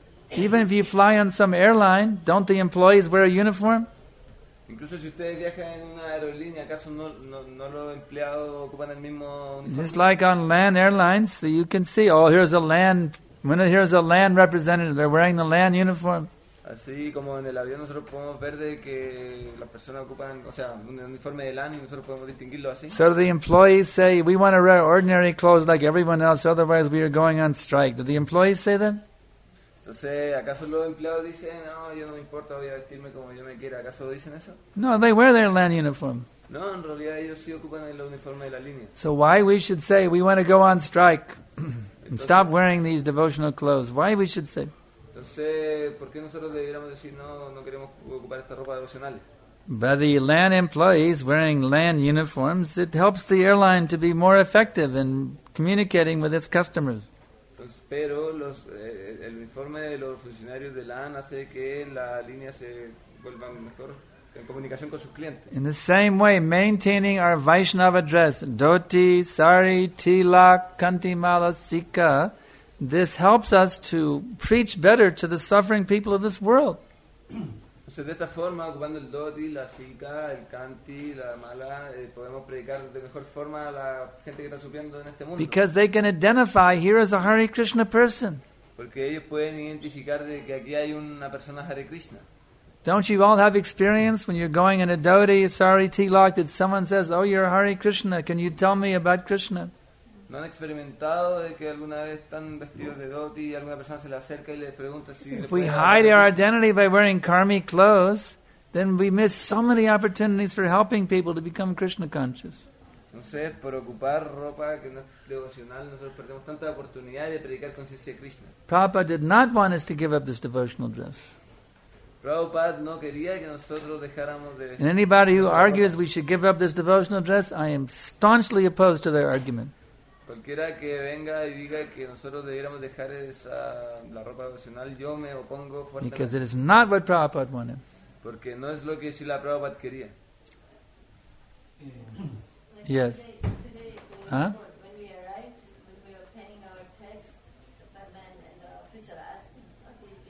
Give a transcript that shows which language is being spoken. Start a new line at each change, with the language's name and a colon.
English: Even if you fly on some airline, don't the employees wear a uniform?
Spanish: Incluso si ustedes viajan en una aerolínea, ¿acaso no los empleados ocupan el mismo uniforme?
English: Just like on land airlines, so you can see, oh, here's a land representative, they're wearing the land uniform.
Spanish: Así como en el avión nosotros podemos ver de que las personas ocupan, o sea, un uniforme de land y nosotros podemos distinguirlo así.
English: So the employees say, we want to wear ordinary clothes like everyone else, otherwise we are going on strike. Do the employees say that?
Spanish: Entonces, ¿acaso los empleados dicen, no, yo no me importa, voy a vestirme como yo me quiera? ¿Acaso dicen eso?
English: No, they wear their land uniform.
Spanish: No, en realidad ellos sí ocupan el uniforme de la línea.
English: So why we should say, we want to go on strike and
Spanish: entonces,
English: stop wearing these devotional clothes? Why we should say?
Spanish: Entonces, ¿por qué nosotros deberíamos decir, no queremos ocupar esta ropa devocional?
English: By the land employees wearing land uniforms, it helps the airline to be more effective in communicating with its customers.
Spanish: Pero el uniforme de los funcionarios de LAN hace que la línea se vuelva mejor en comunicación con sus clientes.
English: In the same way, maintaining our Vaishnava dress, dhoti, sari, tilak, kanti mala, sika, this helps us to preach better to the suffering people of this world.
Spanish: Entonces, de esta forma, ocupando el dhoti, la sika, el kanti, la mala, podemos predicar de mejor forma a la gente que está sufriendo en este mundo.
English: Because they can identify here as a Hare Krishna person.
Spanish: Porque ellos pueden identificar de que aquí hay una persona Hare Krishna.
English: Don't you all have experience when you're going in a dhoti, sari, tilak, that someone says, oh, you're Hare Krishna, can you tell me about Krishna?
Spanish: ¿No han experimentado de que alguna vez están vestidos de dhoti y alguna persona se le acerca y le pregunta si...
English: If we hide our identity by wearing karmi clothes, then we miss so many opportunities for helping people to become Krishna conscious.
Spanish: Entonces, por ocupar ropa que no es devocional, nosotros perdemos tanta oportunidad de predicar conciencia de Krishna.
English: Prabhupada did not want us to give up this devotional dress.
Spanish: Prabhupada no quería que nosotros dejáramos de...
English: And anybody who argues we should give up this devotional dress, I am staunchly opposed to their argument.
Spanish: Cualquiera que venga y diga que nosotros debiéramos dejar esa, la ropa devocional, yo me opongo fuertemente.
English: Because it is not what Prabhupada wanted.
Spanish: Porque no es lo que Srila Prabhupada quería.
English: Yes. Today, when we arrived, when we were penning our text, a man and an officer asked.